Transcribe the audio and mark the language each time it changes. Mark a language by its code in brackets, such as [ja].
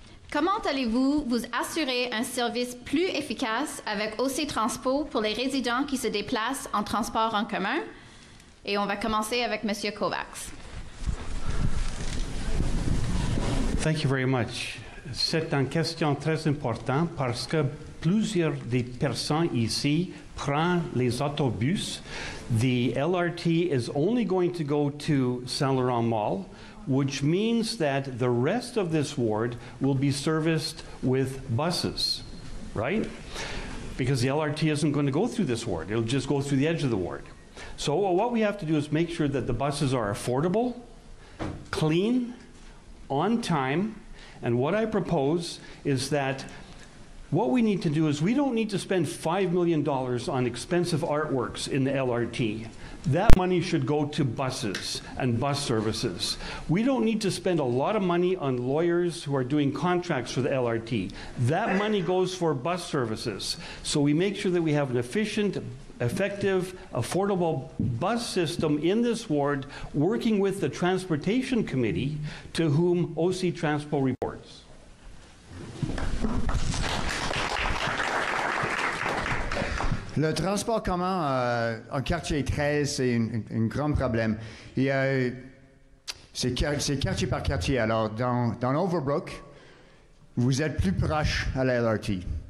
[fr] Comment allez-vous vous assurer un service plus efficace avec OC Transpo pour les résidents qui se déplacent en transport en commun? Et on va commencer avec M. Kovacs. [en] Thank you very much. [fr] C'est une question très importante parce que plusieurs des personnes ici prennent les autobus. [en] The LRT is only going to go to Saint-Laurent Mall, which means that the rest of this ward will be serviced with buses, right? Because the LRT isn't going to go through this ward. It'll just go through the edge of the ward. So what we have to do is make sure that the buses are affordable, clean, on time, and what I propose is that what we need to do is we don't need to spend $5 million on expensive artworks in the LRT. That money should go to buses and bus services. We don't need to spend a lot of money on lawyers who are doing contracts for the LRT. That money goes for bus services. So we make sure that we have an efficient, effective, affordable bus system in this ward, working with the Transportation Committee, to whom OC Transpo reports. [fr] Le transport commun en quartier 13, c'est un grand problème. Et, c'est quartier par quartier. Alors, dans Overbrook, vous êtes plus proche à la LRT.